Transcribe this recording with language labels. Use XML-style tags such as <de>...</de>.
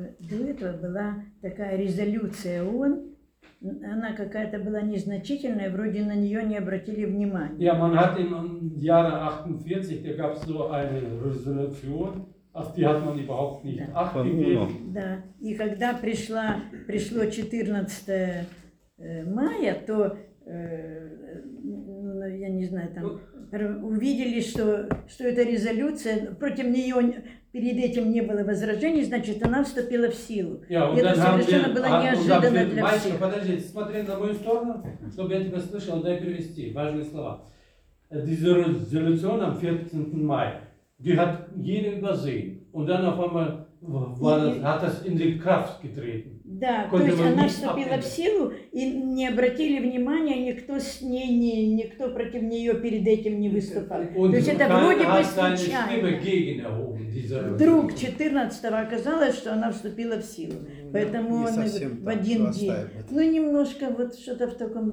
<ru>До этого была такая резолюция ООН, она какая-то была незначительная, вроде на нее не обратили внимания.</ru> <de>Ja, man hat im Jahre 48, da gab es so eine Resolution, auf die hat man überhaupt nicht achtet.</de> <ru>Да, и когда пришло 14 мая, то я не знаю, там увидели, что эта резолюция против нее перед этим не было возражений, значит, она вступила в силу. Yeah, это совершенно было неожиданно для всех. Майк, подождите, смотри на мою сторону, чтобы я тебя слышал, дай перевести важные слова.</ru> <de>Diese Resolution am 14. Mai, die hat jeder gesehen, und dann auf einmal hat das in die Kraft getreten.</de> <ru>Да, то есть она вступила в силу, и не обратили внимания, никто с ней, никто против нее перед этим не выступал. То есть это вроде бы случайно. Вдруг 14-го оказалось, что она вступила в силу. Поэтому он в один день. Ну, немножко вот что-то в таком</ru>